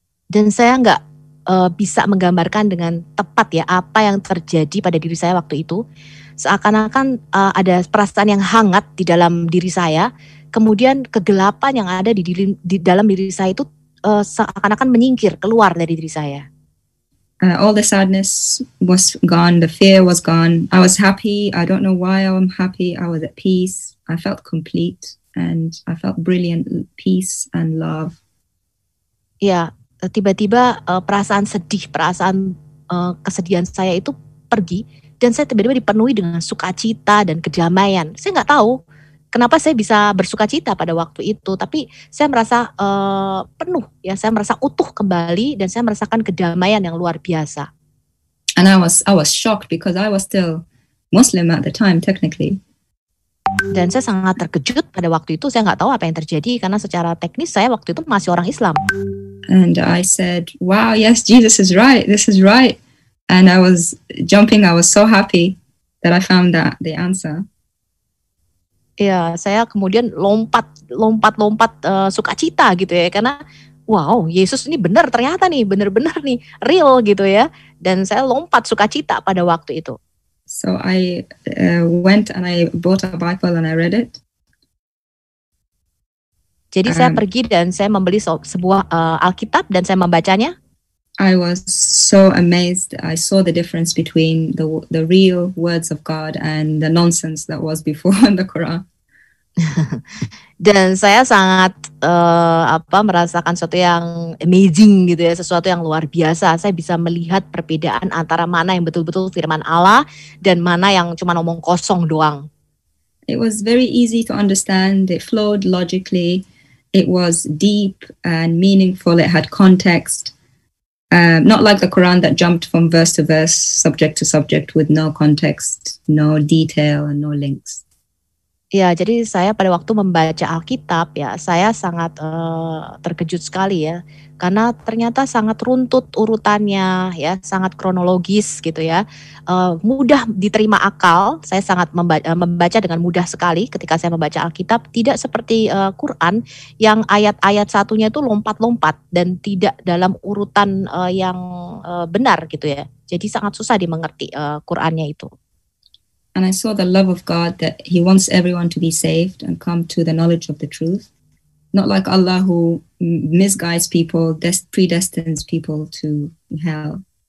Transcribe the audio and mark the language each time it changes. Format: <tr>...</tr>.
<id>Dan saya enggak bisa menggambarkan dengan tepat ya apa yang terjadi pada diri saya waktu itu. Seakan-akan ada perasaan yang hangat di dalam diri saya. Kemudian kegelapan yang ada di dalam diri saya itu seakan-akan menyingkir keluar dari diri saya.</id> <en>All the sadness was gone, the fear was gone. I was happy. I don't know why I'm happy. I was at peace. I felt complete and I felt brilliant peace and love.</en> <id>Ya, tiba-tiba perasaan sedih, perasaan kesedihan saya itu pergi dan saya tiba-tiba dipenuhi dengan sukacita dan kedamaian. Saya enggak tahu kenapa saya bisa bersukacita pada waktu itu, tapi saya merasa penuh, ya, saya merasa utuh kembali dan saya merasakan kedamaian yang luar biasa.</id> <en>And I was shocked because I was still Muslim at the time technically.</en> <id>Dan saya sangat terkejut pada waktu itu, saya enggak tahu apa yang terjadi karena secara teknis saya waktu itu masih orang Islam.</id> <en>And I said, "Wow, yes, Jesus is right. This is right." And I was jumping, I was so happy that I found that the answer.</en> <id>Ya, saya kemudian lompat-lompat sukacita gitu ya, karena wow, Yesus ini benar ternyata nih, benar-benar nih, real gitu ya. Dan saya lompat sukacita pada waktu itu.</id> <en>So I went and I bought a Bible and I read it.</en> <id>Jadi saya pergi dan saya membeli sebuah Alkitab dan saya membacanya.</id> <en>I was so amazed. I saw the difference between the real words of God and the nonsense that was before in the Quran.</en> <id>Dan saya sangat merasakan sesuatu yang amazing gitu ya, sesuatu yang luar biasa. Saya bisa melihat perbedaan antara mana yang betul-betul firman Allah dan mana yang cuma omong kosong doang.</id> <en>It was very easy to understand. It flowed logically. It was deep and meaningful. It had context. Not like the Quran that jumped from verse to verse, subject to subject, with no context, no detail, and no links.</en> <id>Ya, jadi saya pada waktu membaca Alkitab ya, saya sangat terkejut sekali ya, karena ternyata sangat runtut urutannya ya, sangat kronologis gitu ya, mudah diterima akal. Saya sangat membaca dengan mudah sekali ketika saya membaca Alkitab, tidak seperti Quran yang ayat-ayat satunya itu lompat-lompat dan tidak dalam urutan yang benar gitu ya. Jadi sangat susah dimengerti Qurannya itu.</id> <en>And I saw the love of God, that He wants everyone to be saved and come to the knowledge of the truth. Not like Allah who misguides people, predestines people to hell.</en>